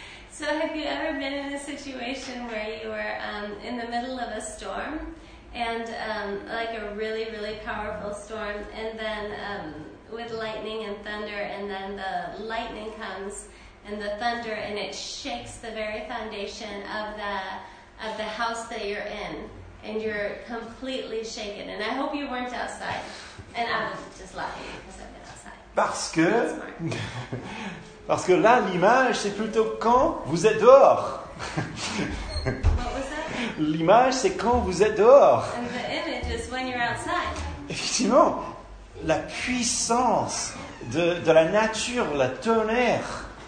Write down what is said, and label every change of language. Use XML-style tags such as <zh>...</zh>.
<en>So have you ever been in a situation where you were in the middle of a storm and like a really, really powerful storm and then with lightning and thunder and then the lightning comes and the thunder and it shakes the very foundation of the house that you're in and you're completely shaken. And I hope you weren't outside. And I was just laughing because I've been outside.</en> <fr>Parce que... Parce que là, l'image, c'est plutôt quand vous êtes dehors.</fr> <en>What was that?</en> <fr>L'image, c'est quand vous êtes dehors.</fr> <en>And the image is when you're outside.</en> <fr>Effectivement, la puissance de la nature, la tonnerre.</fr>